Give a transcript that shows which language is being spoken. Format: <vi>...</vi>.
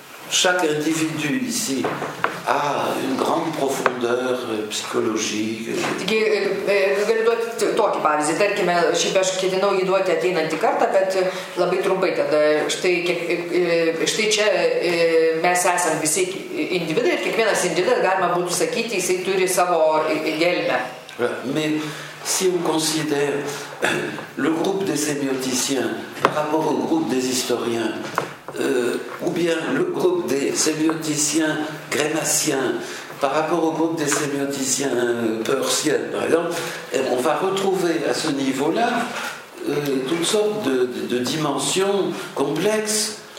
<fr>Chaque individu ici a une grande profondeur psychologique.</fr> <lt>Taigi, galiu duoti tokį pavyzdį. Tarkime, šiaip aš ketinau jį duoti ateinantį kartą, bet labai trumpai tada. Štai čia mes esam visi individai ir kiekvienas individas, galima būtų sakyti, jisai turi savo gelmę.</lt> <fr>Mais si on considère le groupe des sémioticiens par rapport au groupe des historiens, ou bien le groupe des sémioticiens grémaciens par rapport au groupe des sémioticiens persiens, par exemple, on va retrouver à ce niveau-là toutes sortes de dimensions complexes.</fr>